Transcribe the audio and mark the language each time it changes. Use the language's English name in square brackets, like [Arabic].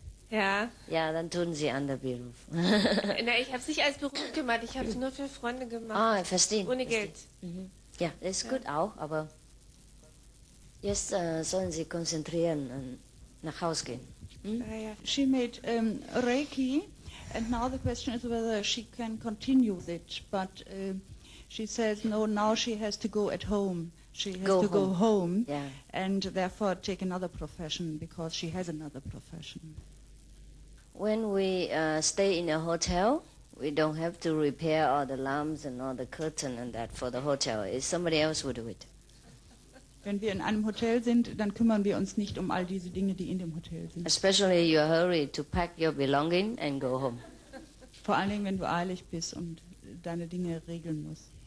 [German] Ja. Ja, dann tun Sie anderer Beruf. Na, ich habe es nicht als Beruf gemacht, ich habe es nur für Freunde gemacht. Ah, oh, verstehe. Ohne Geld. Mhm. Ja, ist ja. Gut auch, aber jetzt sollen Sie konzentrieren und nach Hause gehen. [English] Hm? [German] Ja, ja. [English] She made Reiki. And now the question is whether she can continue it, but she says no, now she has to go at home. She has to go home and therefore take another profession because she has another profession. When we stay in a hotel, we don't have to repair all the lamps and all the curtain and that for the hotel. Somebody else will do it. [German] Wenn wir in einem Hotel sind, dann kümmern wir uns nicht um all diese Dinge, die in dem Hotel sind. [English] Especially you hurry to pack your belongings and go home. [German] Vor allen Dingen, wenn du eilig bist und deine Dinge regeln musst.